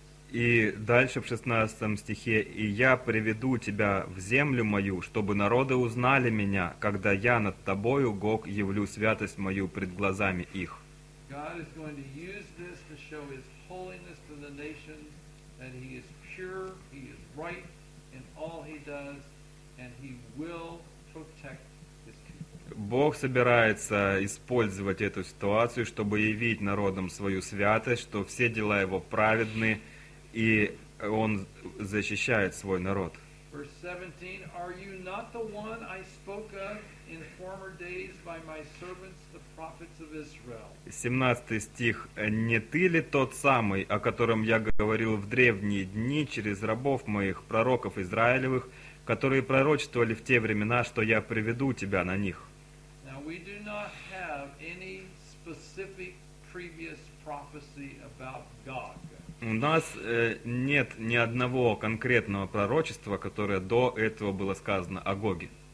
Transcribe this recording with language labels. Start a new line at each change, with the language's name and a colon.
Russian: И дальше в 16 стихе, и я приведу тебя в землю мою, чтобы народы узнали меня, когда я над тобою, Гог, явлю святость мою пред глазами их.
English: God is going to use this to show his holiness to the nations, that he is pure, he is right in all he does, and he will protect his people.
Russian: Бог собирается использовать эту ситуацию, чтобы явить народам свою святость, что все дела его праведны, и он защищает свой народ.
English: Verse 17, are you not the one I spoke of in former days by my servants, the prophets of Israel?
Russian: 17 стих, не ты ли тот самый, о котором я говорил в древние дни через рабов моих, пророков Израилевых, которые пророчествовали в те времена, что я приведу тебя на них?
English: Now we do not have any specific previous prophecy about God.
Russian: У нас нет ни одного конкретного пророчества, которое до этого было сказано о Гоге.